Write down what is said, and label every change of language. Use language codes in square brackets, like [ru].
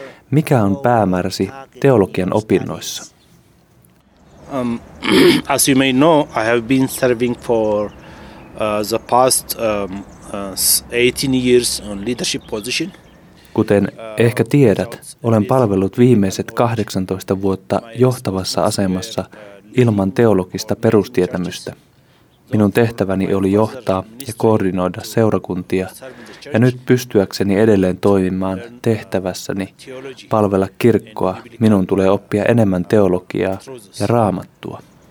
[fi] Mikä on päämääräsi teologian opinnoissa? [en] As you may know, I have been serving for the past 18 years on leadership position. [fi] Kuten ehkä tiedät, olen palvellut viimeiset 18 vuotta johtavassa asemassa ilman teologista perustietämystä. Minun tehtäväni oli johtaa ja koordinoida seurakuntia ja nyt pystyäkseni edelleen toimimaan tehtävässäni palvella kirkkoa, minun tulee oppia enemmän teologiaa ja raamattua.